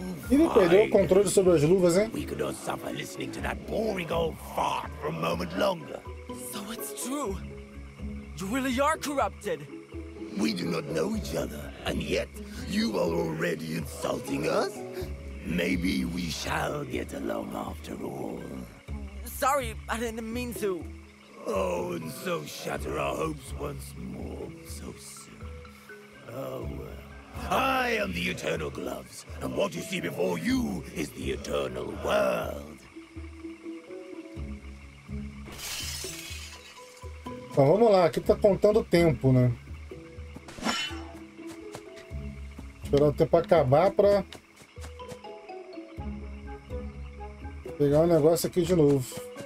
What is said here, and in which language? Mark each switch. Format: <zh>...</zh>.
<pt>Ele perdeu o controle sobre as luvas, hein?</pt> <en>We could not suffer listening to that boring old fart for a moment longer. So it's true. You really are corrupted. We do not know each other, and yet you are already insulting us. Maybe we shall get along after all. Sorry, I didn't mean to. Oh, and so shatter our hopes once more so soon. Oh well. I am the Eternal Gloves, and what you see before you is the Eternal World.</en> <pt>Então vamos lá, aqui tá contando o tempo, né? Esperar o tempo acabar pra pegar um negócio aqui de novo.</pt>